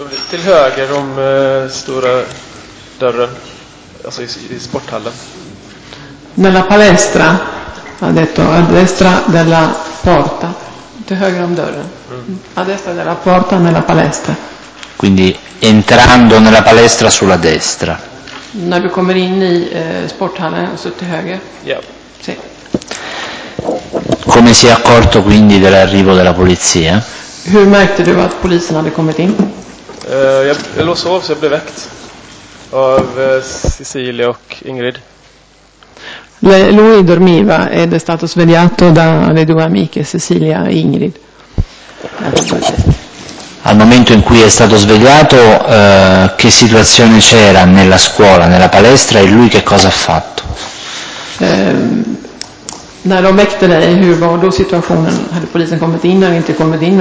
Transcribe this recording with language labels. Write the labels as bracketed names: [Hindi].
[Swedish] Till höger om stora dörren, alltså i sporthallen. [Italian] Nella palestra, ha detto, a destra della porta. [Swedish] Till höger om dörren. [Italian] A destra della porta nella palestra. Quindi entrando nella palestra sulla destra. [Swedish] När du kommer in i sporthallen så till höger. Ja. [Italian] Sì. Come si è accorto quindi dell'arrivo della polizia? [Swedish] Hur märkte du att polisen hade kommit in? Jag låg sov så jag blev väckt av Cecilia och Ingrid. [Italian] Lui dormiva ed è stato svegliato dalle due amiche, Cecilia e Ingrid. Al momento in cui è stato svegliato, che situazione c'era nella scuola, nella palestra, e lui che cosa ha fatto? [Swedish] När de väckte dig, hur var då situationen? Hade polisen kommit in eller inte kommit in?